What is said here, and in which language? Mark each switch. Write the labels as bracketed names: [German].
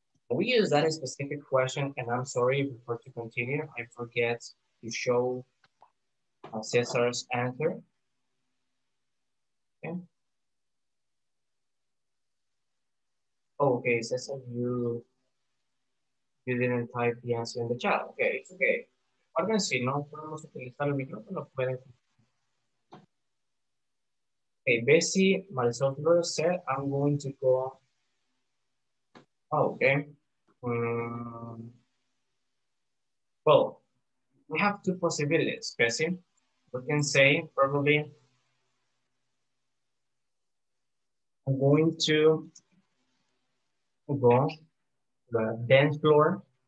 [English] We use that specific question, and I'm sorry, before to continue, I forget to show Cesar's answer. Okay. Oh, okay, Cesar, you didn't type the answer in the chat. Okay, it's okay. [Spanish] Pardon, si no podemos utilizar el micrófono, pueden. [English] Okay, Bessie, my software said I'm going to go. Oh, okay. Well, we have two possibilities, Bessie. We can say, probably, I'm going to go to the dance floor.